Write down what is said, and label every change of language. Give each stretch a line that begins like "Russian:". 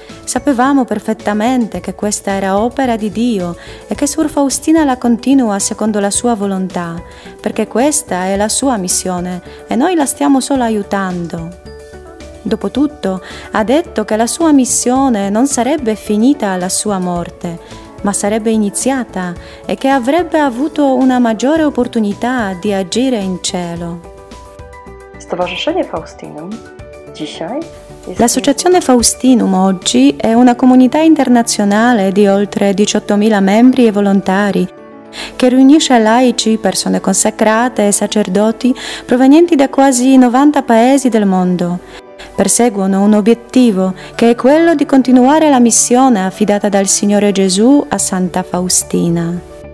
Italian: Sapevamo perfettamente che questa era opera di Dio e che Sor Faustina la continua secondo la sua volontà, perché questa è la sua missione e noi la stiamo solo aiutando. Dopotutto, ha detto che la sua missione non sarebbe finita alla sua morte, ma sarebbe iniziata e che avrebbe avuto una maggiore opportunità di agire in cielo.
Polish: Stowarzyszenie Faustinum dzisiaj.
Italian: L'Associazione Faustinum oggi è una comunità internazionale di oltre 18.000 membri e volontari che riunisce laici, persone consacrate e sacerdoti provenienti da quasi 90 paesi del mondo. Perseguono un obiettivo che è quello di continuare la missione affidata dal Signore Gesù a Santa Faustina.